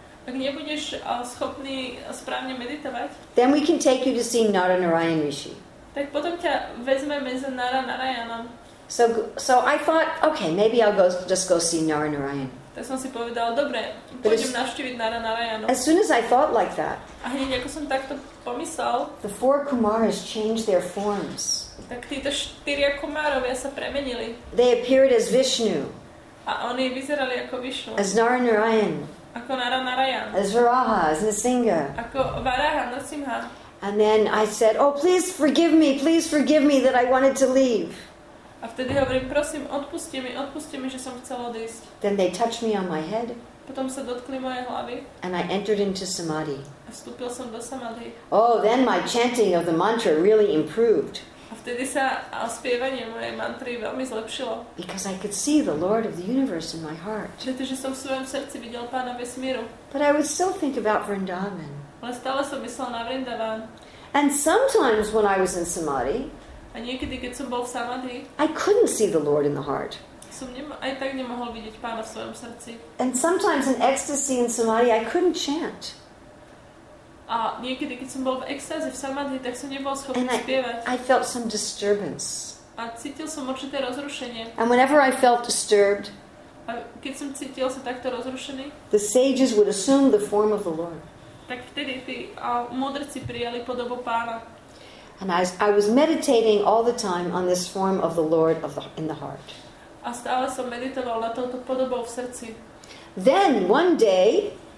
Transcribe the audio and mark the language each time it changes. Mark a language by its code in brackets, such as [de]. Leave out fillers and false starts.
[sk] ak nebudeš schopný správne meditovať, [en] then we can take you to see Nara Narayan Rishi. [sk] Tak potom ťa vezmeme za Nara Narayanom. [en] So I thought, okay, maybe I'll just go see Nara Narayan. [sk] Tak som si povedal, dobre, pôjdem navštíviť Nara Narayanom. [en] As soon as I thought like that, [sk] a hneď ako som takto pomyslel, [en] the four Kumaras changed their forms. [sk] Tak títo štyria Kumárovia sa premenili. [en] They appeared as Vishnu. [sk] A oni vyzerali ako Vishnu. [en] As Nara Narayan. [sk] Ako Nara Narayan. [en] As Varaha, as Nrisingha. [sk] Ako Varaha, Nrisingha. [en] And then I said, oh, please forgive me that I wanted to leave. [sk] A vtedy hovorím, prosím, odpusti mi, že som chcel odísť. [en] Then they touched me on my head. [sk] Potom sa dotkli moje hlavy. [en] And I entered into Samadhi. [sk] A vstúpil som do Samadhi. [en] Oh, then my chanting of the mantra really improved. [sk] A vtedy sa spievanie mojej mantry veľmi zlepšilo. [en] Because I could see the Lord of the Universe in my heart. [sk] Pretože som v svojom srdci videl pána vesmíru. [en] But I would still think about Vrindavan. [sk] Ale stále som myslel na Vrindavan. [en] And sometimes when I was in Samadhi, [sk] a niekedy, keď som bol v Samadhi, [en] I couldn't see the Lord in the heart. [sk] Som aj tak nemohol vidieť pána v svojom srdci. [en] And sometimes in ecstasy in Samadhi, I couldn't chant. [sk] A niekedy, keď som bol v extáze, v samadhi, tak som nebol schopný spievať. [en] I felt some disturbance. [sk] A cítil som určité rozrušenie. [en] And whenever I felt disturbed, [sk] a keď som cítil sa takto rozrušený, [en] the sages would assume the form of the Lord. [sk] Tak vtedy tí mudrci prijali podobu pána. [en] And I was meditating all the time on this form of the Lord of the, in the heart. [sk] A stále som meditoval na touto podobou v srdci. [en] Then, one day,